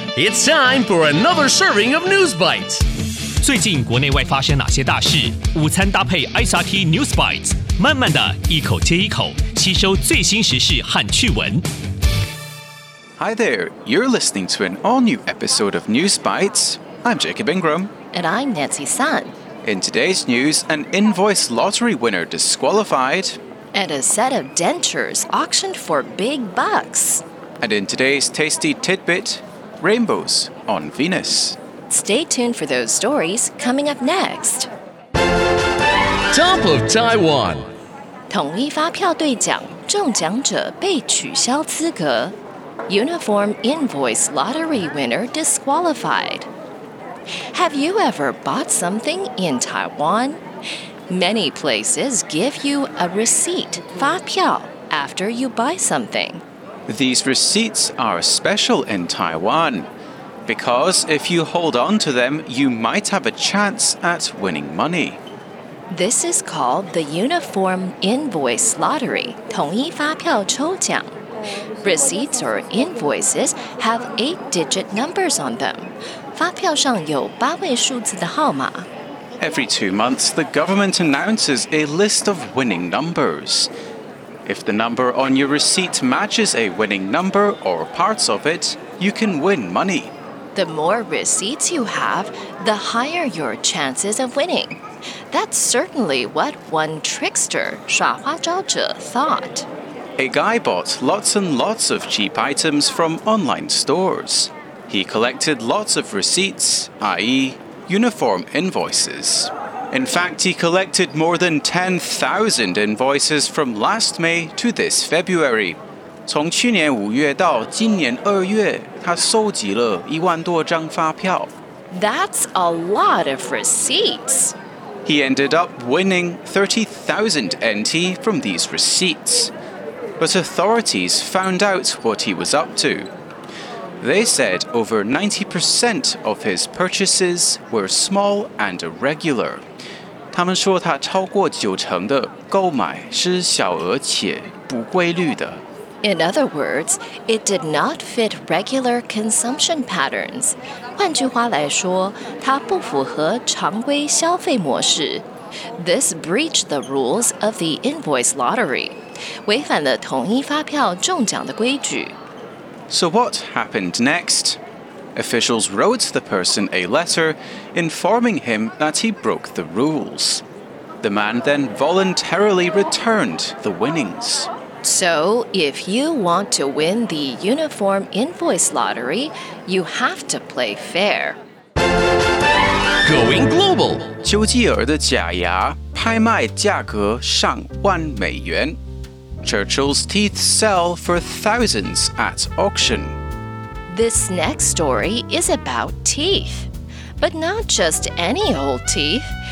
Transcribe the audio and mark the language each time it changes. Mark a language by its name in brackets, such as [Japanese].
[English] It's time for another serving of News Bites. [Chinese] 最近国内外发生哪些大事？午餐搭配 SRT News Bites， 慢慢的一口接一口，吸收最新时事和趣闻。 [English] Hi there, you're listening to an all-new episode of News Bites. I'm Jacob Ingram. And I'm Nancy Sun. In today's news, an invoice lottery winner disqualified. And a set of dentures auctioned for big bucks. And in today's tasty tidbit, rainbows on Venus. Stay tuned for those stories coming up next. Top of Taiwan. [Chinese] 统一发票兑奖，中奖者被取消资格。 [English] Uniform invoice lottery winner disqualified. Have you ever bought something in Taiwan? Many places give you a receipt, 发票, after you buy something. These receipts are special in Taiwan, because if you hold on to them, you might have a chance at winning money. This is called the Uniform Invoice Lottery, [Chinese] 统一发票抽奖。 [English] Receipts or invoices have 8-digit numbers on them. [Chinese] 发票上有八位数字的号码。 [English] Every 2 months, the government announces a list of winning numbers. If the number on your receipt matches a winning number or parts of it, you can win money. The more receipts you have, the higher your chances of winning. That's certainly what one trickster, 耍花招者, thought. A guy bought lots and lots of cheap items from online stores. He collected lots of receipts, i.e. uniform invoices. In fact, he collected more than 10,000 invoices from last May to this February. [Chinese] 从去年五月到今年二月，他收集了一万多张发票。 [English] That's a lot of receipts. He ended up winning 30,000 NT from these receipts. But authorities found out what he was up to. They said over 90% of his purchases were small and irregular. [Chinese] 他们说他超过九成的购买是小额且不规律的。 [English] In other words, it did not fit regular consumption patterns. [Chinese] 换句话来说，它不符合常规消费模式。 [English] This breached the rules of the invoice lottery. [Chinese] 违反了统一发票中奖的规矩。 [English] So what happened next? Officials wrote the person a letter informing him that he broke the rules. The man then voluntarily returned the winnings. So if you want to win the uniform invoice lottery, you have to play fair. Going global! [Chinese] 丘吉尔的假牙拍卖价格上万美元。 [English] Churchill's teeth sell for thousands at auction. This next story is about teeth. But not just any old teeth.